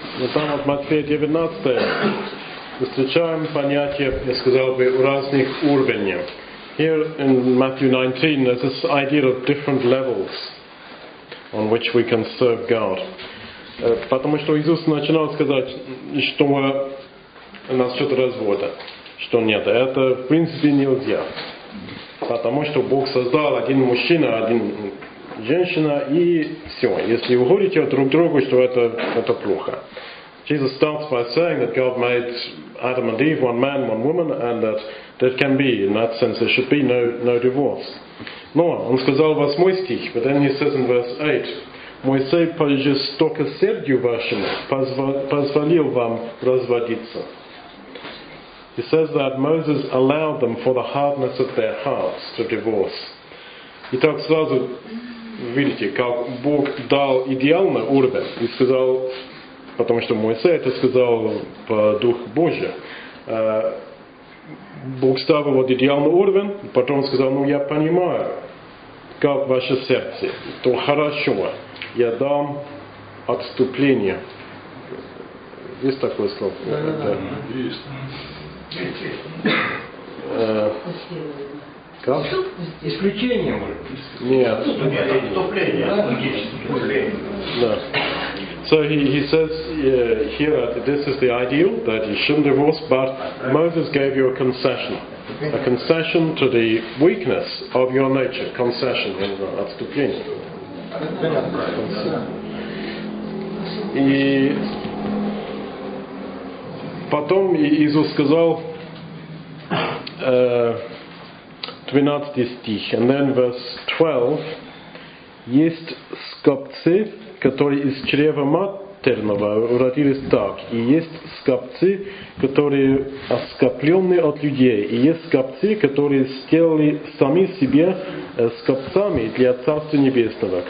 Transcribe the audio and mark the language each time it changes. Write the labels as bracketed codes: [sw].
[ru] Но там вот Матфея 19 встречаем понятие, я сказал бы, разных уровней. [en] Here in Matthew 19 there's this idea of different levels on which we can serve God. [ru] Потому что Иисус начинал сказать, что насчет развода, что нет, это в принципе нельзя. Потому что Бог создал один мужчина, один женщина, и все. Если вы говорите друг другу, что это плохо. [en] Jesus starts by saying that God made Adam and Eve one man, one woman, and that there can be, in that sense, there should be no divorce. [ru] Но он сказал 8 стих, [en] but then he says in verse 8, [ru] Моисей по жестокосердию вашему позволил вам разводиться. [en] He says that Moses allowed them for the hardness of their hearts to divorce. [ru] И так сразу видите, как Бог дал идеальный уровень и сказал, потому что Моисей это сказал по Духу Божию. Бог ставил вот идеальный уровень, потом сказал, ну я понимаю, как ваше сердце, то хорошо, я дам отступление. Есть такое слово? Да. Как? Исключение, нет. Нет, отступление, да. [en] So he says here that this is the ideal, that you shouldn't divorce, but Moses gave you a concession to the weakness of your nature, concession, отступление. [ru] И потом Иисус сказал 12 стих, [en] and then verse 12, [ru] есть скопцы, которые из чрева матерного родились так, и есть скопцы, которые оскопленные от людей, и есть скопцы, которые сделали сами себе скопцами для Царства Небесного.